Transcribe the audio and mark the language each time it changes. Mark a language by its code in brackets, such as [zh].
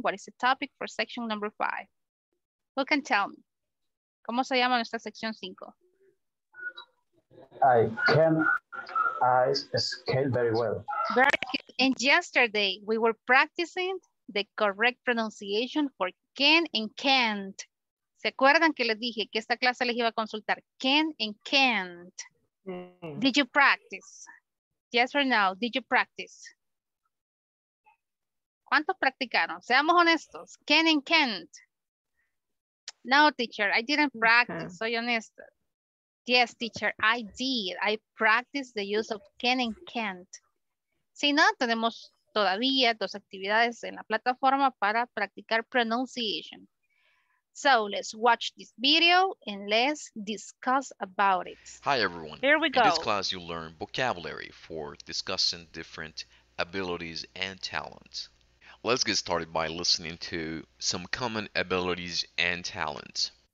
[en] What is the topic for section number 5? Who can tell me? [es] ¿Cómo se llama nuestra sección 5? [en] I scale very well. Very good. And yesterday we were practicing the correct pronunciation for can and can't. [es] ¿Se acuerdan que les dije que esta clase les iba a consultar? [en] Can and can't. Did you practice? Yes or no? Did you practice? [es] ¿Cuántos practicaron? Seamos honestos. [en] Can and can't. No, teacher, I didn't practice. [es] Soy honesta. [en] Yes, teacher, I did. I practiced the use of can and can't. [es] Si no, tenemos todavía dos actividades en la plataforma para practicar pronunciation. [en] So let's watch this video and let's discuss about it. Hi, everyone. Here we go. In this class, you learn vocabulary for discussing different abilities and talents. Let's get started by listening to some common abilities and talents.